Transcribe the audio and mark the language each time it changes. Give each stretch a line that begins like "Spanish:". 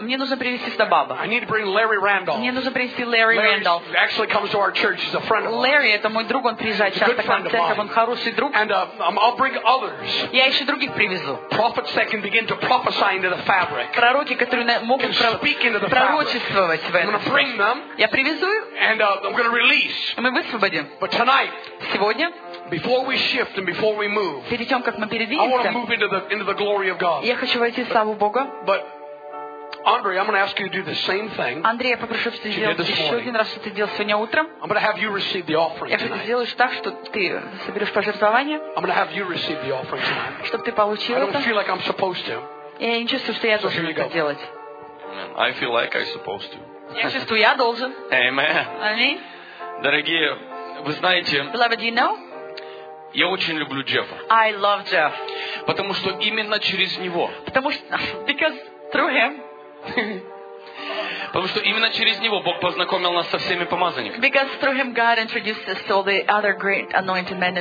Russian: Мне нужно привести сюда Боба.
English: I need to bring Larry Randolph.
Russian: Мне нужно привести Larry Randolph.
English: Larry actually comes to our church. He's a friend of mine.
Russian: Larry это мой друг, он приезжает часто к нам в церковь. Он хороший друг.
English: And I'll bring others.
Russian: Я еще других привезу.
English: Prophets that can begin to prophesy into the fabric.
Russian: Пророки, которые могут пророчествовать в этом.
English: I'm going to bring them.
Russian: Я привезу.
English: And I'm going to release.
Russian: Мы высвободим.
English: But tonight.
Russian: Сегодня.
English: Before we shift and before we move.
Russian: Перед тем, как мы передвинемся.
English: I want to move into the glory of God.
Russian: Я хочу войти в славу Бога.
English: But Andre, I'm going to ask you to do the same thing.
Russian: Андрей, я попрошу, чтобы ты сделал еще один раз, что ты делал сегодня утром.
English: I'm going to have you receive the offering tonight.
Russian: Я хочу сделать так, что ты соберешь пожертвование.
English: I'm going to have you receive the offering tonight.
Russian: Чтобы ты получил это.
English: I don't feel like I'm supposed to.
Russian: Я не чувствую, что я должен это делать.
English: I feel like I'm supposed to.
Russian: Я чувствую, я должен.
English: Amen.
Russian: Аминь. Дорогие, вы знаете.
English: Beloved, you know.
Russian: Я очень люблю Джеффа.
English: I love Jeff.
Russian: Потому что именно через него. Потому что
English: because through him.
Russian: Потому что именно через него Бог познакомил нас со всеми помазанниками.
English: Because through him God introduced us to all the other great anointed men and